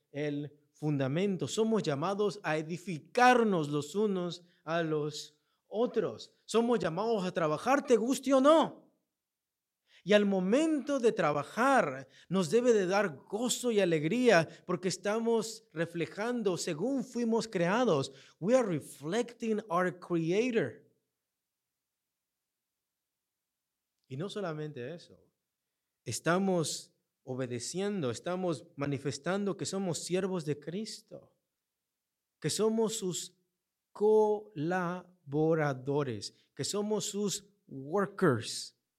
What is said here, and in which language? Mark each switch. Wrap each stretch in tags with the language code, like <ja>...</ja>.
<es>El fundamento. Somos llamados a edificarnos los unos a los otros. Somos llamados a trabajar, te guste o no. Y al momento de trabajar, nos debe de dar gozo y alegría, porque estamos reflejando según fuimos creados.</es> <en>We are reflecting our Creator.</en> <es>Y no solamente eso. Estamos obedeciendo, estamos manifestando que somos siervos de Cristo, que somos sus colaboradores, que somos sus workers.</es>